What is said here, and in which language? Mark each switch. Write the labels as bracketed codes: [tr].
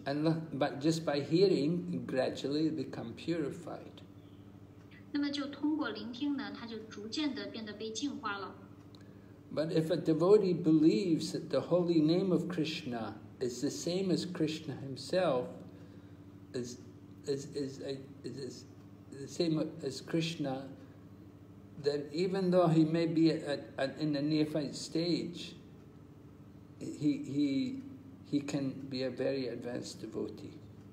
[en] And but just by hearing, gradually become purified. [zh] 那么就通过聆听呢，它就逐渐地变得被净化了。 [en] But if a devotee believes that the holy name of Krishna is the same as Krishna himself, is the same as Krishna, then even though he may be in a neophyte stage, he can be a very advanced devotee.